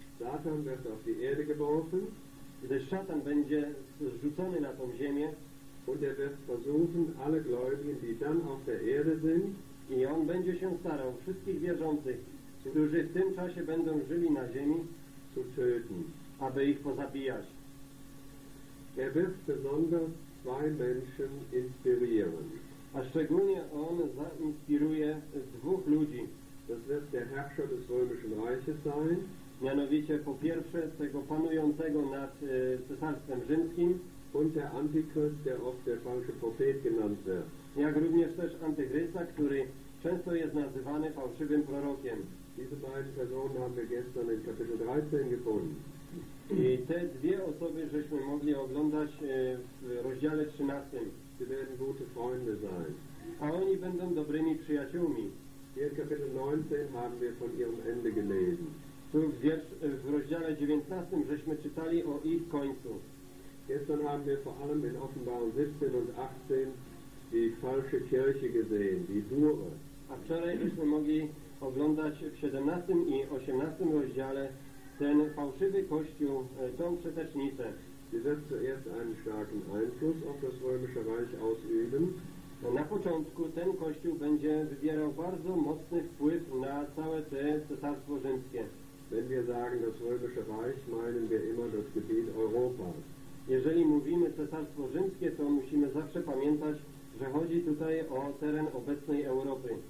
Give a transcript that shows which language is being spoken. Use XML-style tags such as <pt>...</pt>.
<de>Satan wird auf die Erde geworfen.</de> <pl>Gdy szatan będzie zrzucony na tą ziemię.</pl> <de>Und er wird versuchen, alle Gläubigen, die dann auf der Erde sind.</de> <pl>I on będzie się starał wszystkich wierzących, którzy w tym czasie będą żyli na ziemi,</pl> <de>zu töten,</de> <pl>aby ich pozabijać.</pl> <de>Er wird besonders zwei Menschen inspirieren.</de> <pl>A szczególnie on zainspiruje dwóch ludzi.</pl> <de>Das wird der Herrscher des Römischen Reiches sein.</de> <pl>Mianowicie po pierwsze tego panującego nad Cesarstwem Rzymskim.</pl> <de>Und der Antichrist, der oft der falsche Prophet genannt wird.</de> <pl>Jak również też Antychrysta, który często jest nazywany fałszywym prorokiem.</pl> <de>Diese beiden Personen haben wir gestern in Kapitel 13 gefunden.</de> <pl>I te dwie osoby żeśmy mogli oglądać w rozdziale 13.</pl> <de>Sie werden gute Freunde sein.</de> <pl>A oni będą dobrymi przyjaciółmi.</pl> <de>Hier in Kapitel 19 haben wir von ihrem Ende gelesen.</de> <pl>Tu w rozdziale 19 żeśmy czytali o ich końcu.</pl> <de>Gestern haben wir vor allem in Offenbarung 17 und 18 die falsche Kirche gesehen, die Hure.</de> <pl>A wczoraj żeśmy mogli oglądać w 17 i 18 rozdziale ten fałszywy kościół, tą przetecznicę.</pl> <de>Sie wird zuerst einen starken Einfluss auf das Römische Reich ausüben.</de> <pl>Na początku ten kościół będzie wywierał bardzo mocny wpływ na całe te cesarstwo rzymskie.</pl> <de>Wenn wir sagen das Römische Reich, meinen wir immer das Gebiet Europas.</de> <pl>Jeżeli mówimy cesarstwo rzymskie, to musimy zawsze pamiętać, że chodzi tutaj o teren obecnej Europy.</pl>